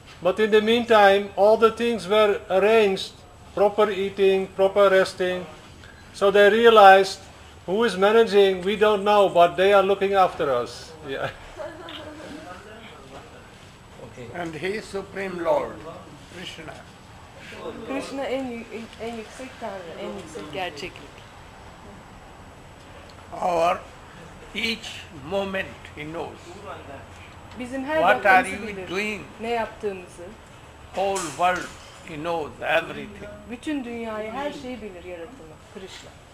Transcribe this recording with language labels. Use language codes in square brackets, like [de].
[en] But in the meantime, all the things were arranged, proper eating, proper resting. So they realized, who is managing, we don't know, but they are looking after us. Yeah. And he is Supreme Lord, Krishna. [tr] Krishna en yüksek tanrı, en yüksek gerçeklik. [en] Our each moment he knows. [tr] Bizim her [en] what are you doing? [tr] Ne yaptığımızı. [en] Whole world he knows everything. [tr] Bütün dünyayı, her şeyi bilir yaratılmış Krishna.